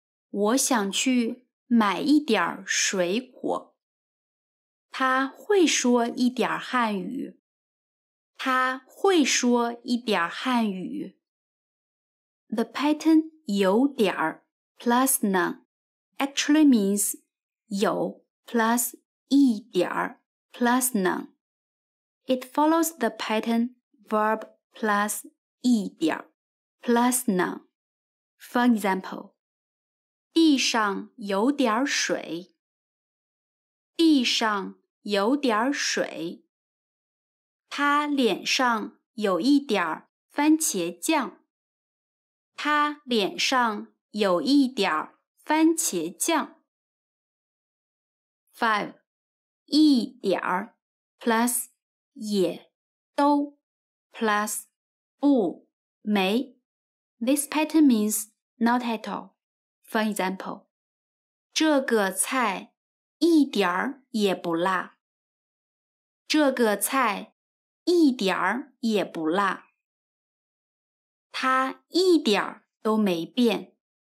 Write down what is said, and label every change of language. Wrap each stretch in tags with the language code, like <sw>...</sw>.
<zh>我想去买一点水果。他会说一点汉语，他会说一点汉语。</zh> <en>The pattern 有点儿 plus none actually means 有 plus 一点儿 plus none. It follows the pattern verb plus 一点儿 plus none. For example,</en> <zh>地上有点水。地上有点水。他脸上有一点番茄酱。他脸上有一点番茄酱。5. 一点 plus 也都 plus 不没。</zh> <en>This pattern means not at all. For example,</en> <zh>这个菜一点也不辣。这个菜一点也不辣。他一点都没变。</zh>